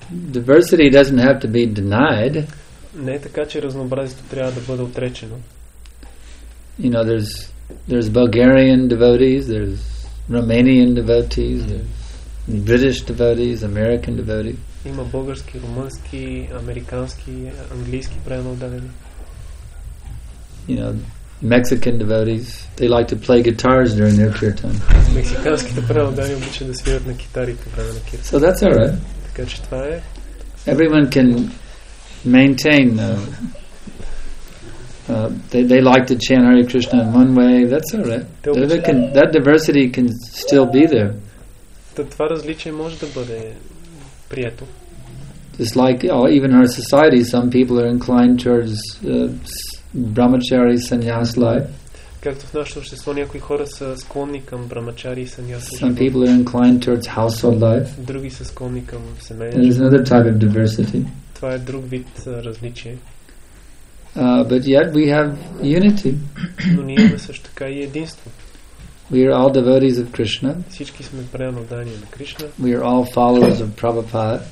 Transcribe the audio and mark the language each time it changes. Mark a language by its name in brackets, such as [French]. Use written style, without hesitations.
[English] Diversity doesn't have to be denied. [Bulgarian] Не е така, че разнообразието трябва да бъде отречено. [English] You know, there's Bulgarian devotees, there's Romanian devotees, there's British devotees, American devotees. [Bulgarian] Има български, румънски, американски, английски преводачи. [English] You know, Mexican devotees, they like to play guitars during their kirtan. [Bulgarian] Мексиканските преводачи обичат да свирят на китари по време на [English] kirtan. So that's all right. [Bulgarian] Така че това е. [English] Everyone can maintain they like to chant Hare Krishna in one way. That's all right. That diversity can still be there. [Bulgarian] Това различие може да бъде прието. [English] Just like even our society, some people are inclined towards brahmachari sannyas life. [Bulgarian] Както в нашето общество някои хора са склонни към брамачари и сънняс живот. [English] Some people are inclined towards household life. [Bulgarian] Други са склонни към семейство. [English] There is another type of diversity. [Bulgarian] Това е друг вид различие. [English] But yet we have unity. [Bulgarian] Но ние имаме също така и единство. [English] We are all devotees of Krishna. [Bulgarian] Всички сме преданодани на Кришна. [English] We are all followers of Prabhupada.